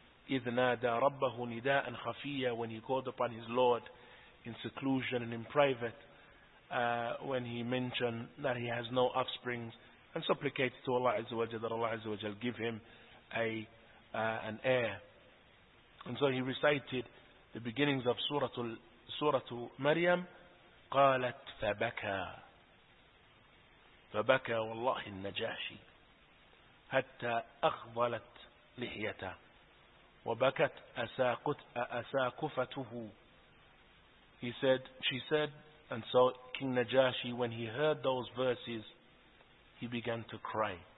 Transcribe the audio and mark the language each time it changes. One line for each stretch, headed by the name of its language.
Arabic: إِذْ نَادَى رَبَّهُ نِدَاءً خَفِيًّا.
English: When he called upon his Lord in seclusion and in private, when he mentioned that he has no offsprings, and supplicated to Allah Azza wa Jalla that Allah Azza wa Jalla give him an heir. And so he recited the beginnings of Suratul Maryam,
Arabic: قالت فبكى فبكى والله النجاشي حتى أخضلت لحيته وبكت أساقفته.
English: She said, and so King Najashi, when he heard those verses, he began to cry.